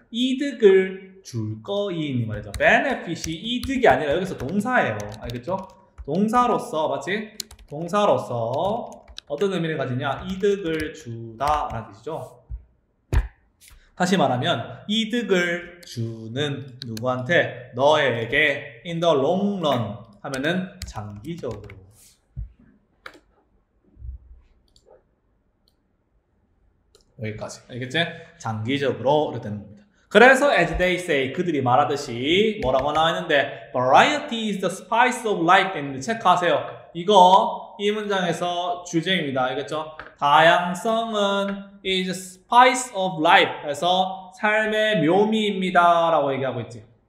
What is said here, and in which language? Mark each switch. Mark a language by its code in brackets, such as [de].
[ko] 이득을 줄 거인, 말이죠. benefit이 이득이 아니라 여기서 동사예요. 알겠죠? 동사로서, 맞지? 동사로서 어떤 의미를 가지냐? 이득을 주다 라는 뜻이죠. 다시 말하면 이득을 주는 누구한테? 너에게 [en] in the long run [ko] 하면은 장기적으로. 여기까지. 알겠지? 장기적으로 이렇게 되는 겁니다. [en] 그래서 as they say, [ko] 그들이 말하듯이 뭐라고 나와있는데 [en] variety is the spice of life [ko] 했는데 체크하세요. 이거 이 문장에서 주제입니다. 알겠죠? 다양성은 [en] is the spice of life [ko] 해서 삶의 묘미입니다 라고 얘기하고 있지.